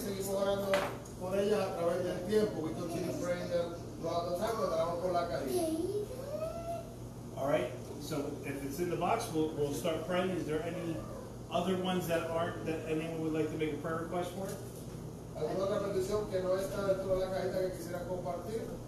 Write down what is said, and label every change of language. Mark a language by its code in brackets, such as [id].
[es] Seguimos orando por ellas a través del tiempo. [en] We continue praying throughout the time, [es] lo damos por la cajita. [en] All right, so if it's in the box, we'll start praying. Is there any other ones that aren't, that anyone would like to make a prayer request for? [es] ¿Alguna otra petición que no está dentro de la cajita que quisiera compartir?